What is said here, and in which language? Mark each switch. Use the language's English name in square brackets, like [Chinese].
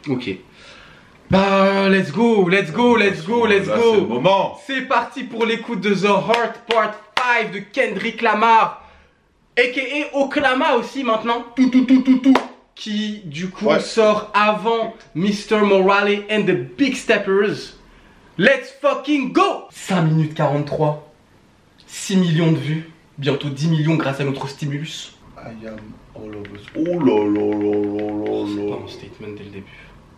[English] Ok. Bah, let's go. [French] C'est le moment. C'est parti pour l'écoute de The Heart Part 5 de Kendrick Lamar. A.K.A. Oklahoma aussi maintenant. Tout. Qui du coup sort avant Mr. Morale and the Big Steppers. [English] Let's fucking go. [French] 5 minutes 43. 6 millions de vues. Bientôt 10 millions grâce à notre stimulus. [English] I am all of us. [French] Oh là là. C'est pas un statement dès le début.